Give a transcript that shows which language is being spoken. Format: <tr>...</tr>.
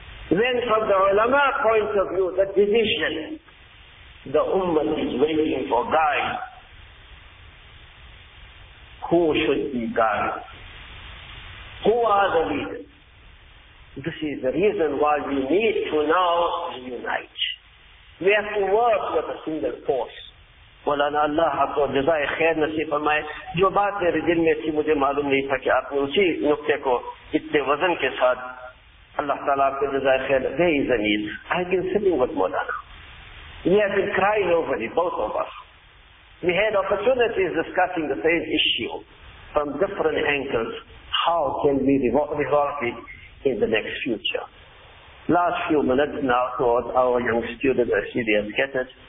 <en>Then from the ulama point of view, the division, the ummah is waiting for guide. Who should be guide? Who are the leaders? This is the reason why we need to now reunite. We have to work with a single force.</en> <ur>مولانا اللہ آپ کو جزائے خیر نصیب فرمائے. جو بات میرے دل میں تھی مجھے معلوم نہیں تھا کہ آپ نے اسی نقطے کو اتنے وزن کے ساتھ, اللہ تعالیٰ آپ کو جزائے خیر.</ur> <en>There is a need. I've been sitting with Maulana. We have been crying over it, both of us. We had opportunities discussing the same issue from different angles. How can we resolve it in the next future? Last few minutes now towards our young students, as they have scattered.</en>